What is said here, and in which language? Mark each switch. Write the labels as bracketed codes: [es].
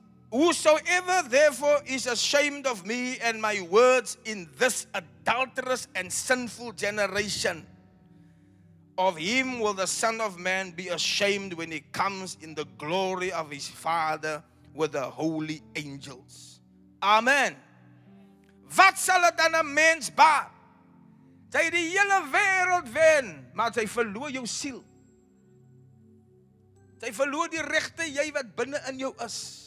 [en] Whosoever therefore is ashamed of me and my words in this adulterous and sinful generation, of him will the Son of Man be ashamed when he comes in the glory of his Father with the holy angels. Amen. [af] Wat sal het dan een mens baat? Sy die hele wereld wen, maar sy verloor jou siel. Sy verloor die regte jy wat binnen in jou is.